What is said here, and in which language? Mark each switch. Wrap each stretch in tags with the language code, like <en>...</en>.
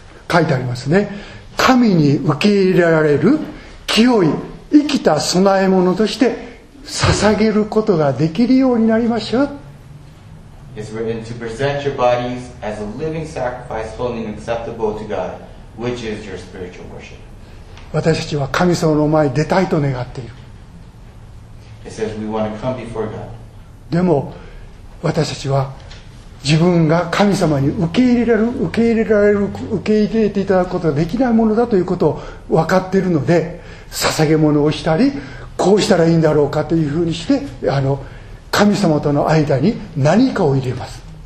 <ja>書いてありますね。神に受け入れられる清い生きた供え物として捧げることができるようになりましょう。</ja> <en>It's written to present your bodies as a living sacrifice, holy and acceptable to God, which is your spiritual worship.</en> <ja>私たちは神様の前に出たいと願っている。</ja> <en>It says we want to come before God.</en> <ja>でも私たちは自分が神様に受け入れられる、受け入れられる、受け入れていただくことができないものだということを分かっているので、捧げ物をしたり、こうしたらいいんだろうかというふうにして、あの神様との間に何かを入れます。</ja>